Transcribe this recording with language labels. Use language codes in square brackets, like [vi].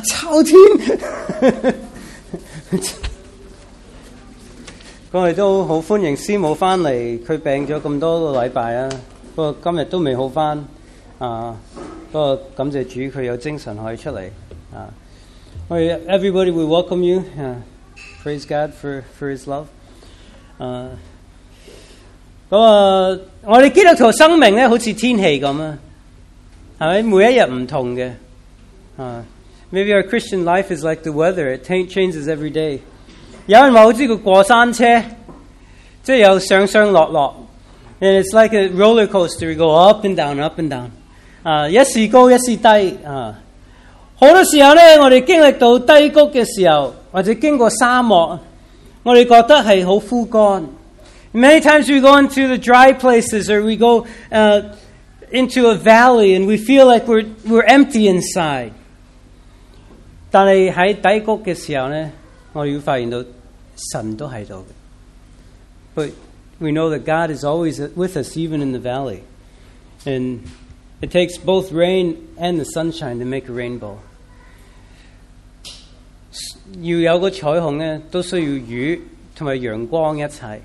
[yue] 秋天，我哋都好欢迎师母翻嚟。佢病咗咁多个礼拜啊，不过今日都未好翻啊。不过感谢主，佢有精神可以出嚟啊。 [en] 我哋 everybody will welcome you.、praise God for His love. 我哋基督徒生命咧，好似天气咁啊，系咪每一日唔同嘅？啊 ，maybe our Christian life is like the weather; it changes every day. [yue] 有人话好似个过山车，即系有上上落落 ， [en] and it's like a roller coaster. You go up and down, up and down. [yue] 啊，一时高一时低啊。好多时候咧，我哋经历到低谷嘅时候，或者经过沙漠。我哋觉得系好枯干。 [en] Many times we go into the dry places, or we go into a valley, and we feel like we're empty inside. [yue] 但系喺低谷嘅时候咧，我哋会发现到神都喺度。 [en] But we know that God is always with us, even in the valley. And it takes both rain and the sunshine to make a rainbow. [yue] 要有个彩虹咧，都需要雨同埋阳光一齐。